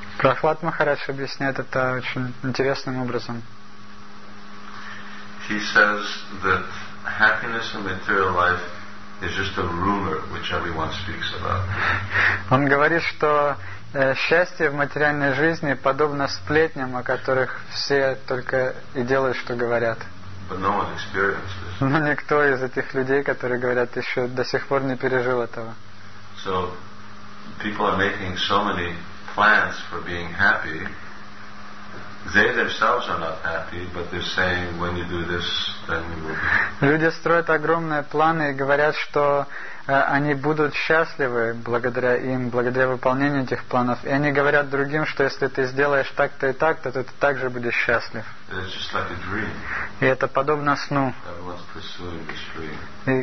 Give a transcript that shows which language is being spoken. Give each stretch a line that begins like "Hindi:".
Russian: Прохлад Махарадж объясняет это очень интересным образом.
English: He says that happiness in material life is just a rumor which everyone speaks about.
Russian: Он говорит, что счастье в материальной жизни подобно сплетням, о которых все только и делают, что говорят.
English: But no one experienced this.
Russian: Но никто из этих людей, которые говорят, еще до сих пор не пережил этого.
English: So people are making so many plans for being happy. They themselves are not happy, but they're saying, when you do this, then you will be.
Russian: Люди строят огромные планы и говорят, что они будут счастливы благодаря им, благодаря выполнению этих планов. И они говорят другим, что если ты сделаешь так-то и так-то, то ты также будешь счастлив.
English: It's just like a dream.
Russian: И это подобно сну.
English: Everyone's pursuing this dream.